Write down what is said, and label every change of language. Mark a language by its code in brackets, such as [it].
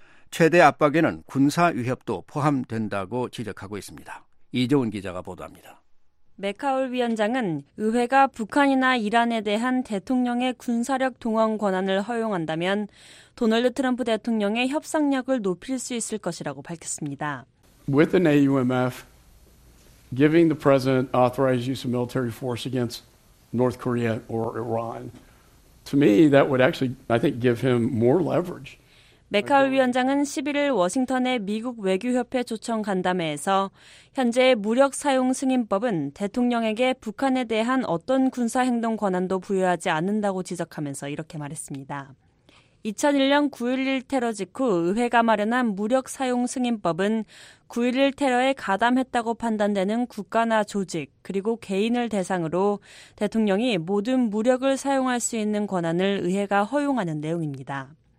[ko] 최대 압박에는 군사 위협도 포함된다고 지적하고 있습니다. 이재훈 기자가 보도합니다. 맥하울 위원장은 의회가 북한이나 이란에 대한 대통령의 군사력 동원 권한을 허용한다면 도널드 트럼프 대통령의 협상력을 높일 수 있을 것이라고 밝혔습니다. [en] With an AUMF, giving the president authorized use of military force against North Korea or Iran. To me, that would actually, I think, give him more leverage. [ko] 맥하울 위원장은 11일 워싱턴의 미국 외교협회 초청 간담회에서 현재 무력 사용 승인법은 대통령에게 북한에 대한 어떤 군사 행동 권한도 부여하지 않는다고 지적하면서 이렇게 말했습니다. 2001년 9.11 테러 직후 의회가 마련한 무력 사용 승인법은 9.11 테러에 가담했다고 판단되는 국가나 조직 그리고 개인을 대상으로 대통령이 모든 무력을 사용할 수 있는 권한을 의회가 허용하는 내용입니다.